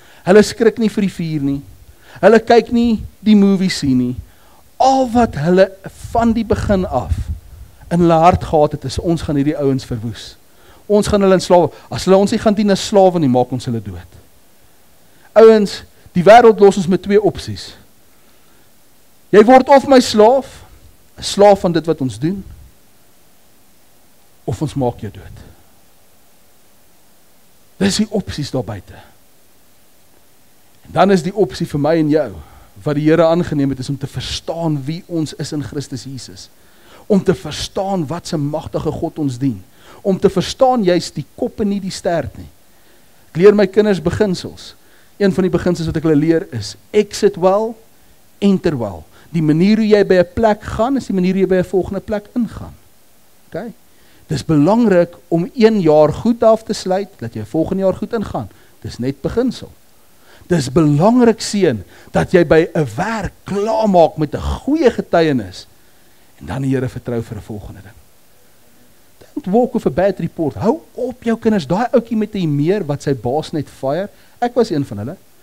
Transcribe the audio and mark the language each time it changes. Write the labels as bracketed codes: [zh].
[af] Hulle skrik nie vir die vier nie. Hulle kyk nie die movie sien nie. Al wat hulle van die begin af in hulle hart gehad het, is ons gaan hierdie ouens verwoes. Ons gaan hulle in slawe, as hulle ons nie gaan dien as slawe nie, maak ons hulle dood. Ouens, die wereld los ons met twee opties. Jy word of my slaaf, slaaf van dit wat ons doen, of ons maak jou dood. Dis die opties daar buiten. En dan is die optie vir my en jou, wat die Here aangeneem het, is om te verstaan wie ons is in Christus Jesus. Om te verstaan wat sy magtige God ons dien. Om te verstaan juist die kop en nie die stert nie. Ek leer my kinders beginsels. Een van die beginsels wat ek hulle leer is, [en] exit well, enter well. [af] Die manier hoe jy by 'n plek gaan, is die manier hoe jy by 'n volgende plek ingaan. Ok? Dis belangrik om een jaar goed af te sluit, dat jy volgende jaar goed ingaan. Dis net beginsel. Dis belangrik, seun, dat jy by 'n werk klaar maak met 'n goeie getuienis, en dan die Here vertrou vir 'n volgende ding. [en] Don't walk with a bad report. [af] Hou op jou kinders, daai oukie met die meer, wat sy baas net fire. Ek was een van hulle.